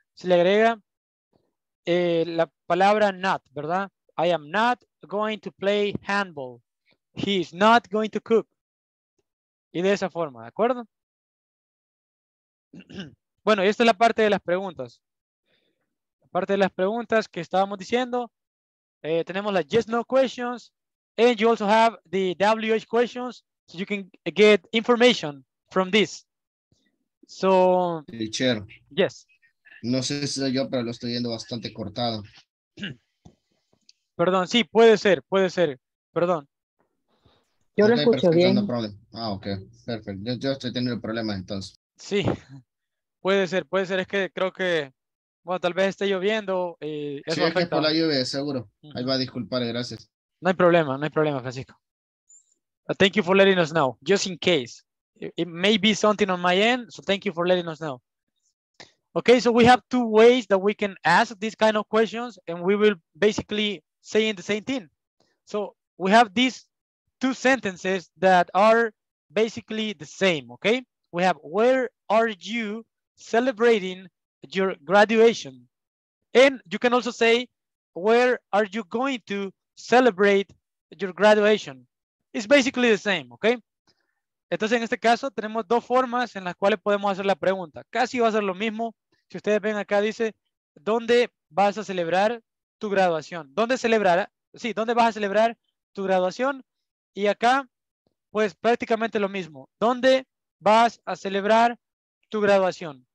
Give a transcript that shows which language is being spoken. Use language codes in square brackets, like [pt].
[es] Se le agrega la palabra not, ¿verdad? [en] I am not going to play handball. He is not going to cook. [es] Y de esa forma, ¿de acuerdo? Bueno, y esta es la parte de las preguntas. La parte de las preguntas que estábamos diciendo. Tenemos las [en] yes no questions, and you also have the WH questions, so you can get information from this. So, teacher, yes. [es] No sé si soy yo, pero lo estoy viendo bastante cortado. Perdón, sí, puede ser, perdón. Yo lo escucho bien. [en] No problem. [es] Ah, ok, perfecto. Yo estoy teniendo problemas entonces. Sí, puede ser, es que creo que... Bueno, tal vez esté lloviendo. Eso sí, es que por la lluvia, seguro. Ahí va a disculpar, gracias. No hay problema, Francisco. [en] Thank you for letting us know, just in case. It may be something on my end, so thank you for letting us know. Okay, so we have two ways that we can ask these kind of questions, and we will basically say the same thing. So we have these two sentences that are basically the same, okay? We have, where are you celebrating your graduation? And you can also say, where are you going to celebrate your graduation. It's basically the same, okay? [es] Entonces, en este caso, tenemos dos formas en las cuales podemos hacer la pregunta. Casi va a ser lo mismo. Si ustedes ven acá, dice, ¿dónde vas a celebrar tu graduación? ¿Dónde celebrará? Sí, ¿dónde vas a celebrar tu graduación? Y acá, pues, prácticamente lo mismo. ¿Dónde vas a celebrar tu graduación?